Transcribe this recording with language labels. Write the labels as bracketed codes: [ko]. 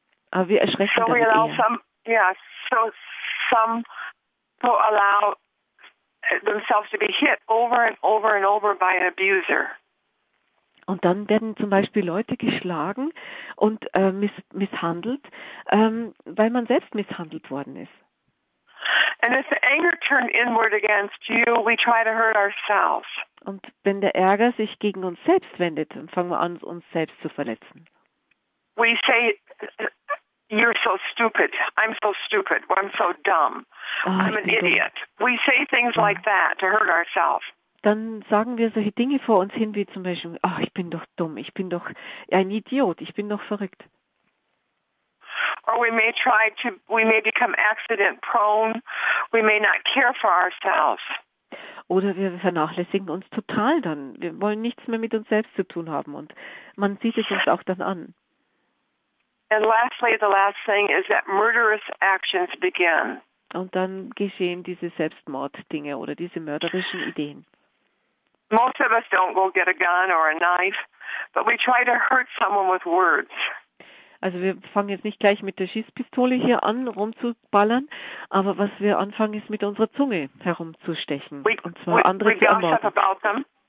[de] Aber wir erschrecken damit eher. [en] Some people allow themselves to be hit over and over and over by an abuser. [de] Und dann werden zum Beispiel Leute geschlagen und misshandelt, weil man selbst misshandelt worden ist. [en] And if the anger turned inward against you, we try to hurt ourselves. [de] Und wenn der Ärger sich gegen uns selbst wendet, dann fangen wir an, uns selbst zu verletzen. [en] We say, you're so stupid. I'm so stupid. I'm so dumb. I'm an idiot. We say things like that to hurt ourselves. [de] Dann sagen wir solche Dinge vor uns hin, wie zum Beispiel, ach, ich bin doch dumm, ich bin doch ein Idiot, ich bin doch verrückt. [en] Or we may try to, we may become accident prone. We may not care for ourselves. [de] Oder wir vernachlässigen uns total dann. Wir wollen nichts mehr mit uns selbst zu tun haben. Und man sieht es uns auch dann an. [en] And lastly, the last thing is that murderous actions begin. [de] Und dann geschehen diese Selbstmorddinge oder diese mörderischen Ideen. [en] Most of us don't go get a gun or a knife, but we try to hurt someone with words. [de] Also wir fangen jetzt nicht gleich mit der Schießpistole hier an, rumzuballern, aber was wir anfangen, ist mit unserer Zunge herumzustechen, und zwar andere zu ermorden.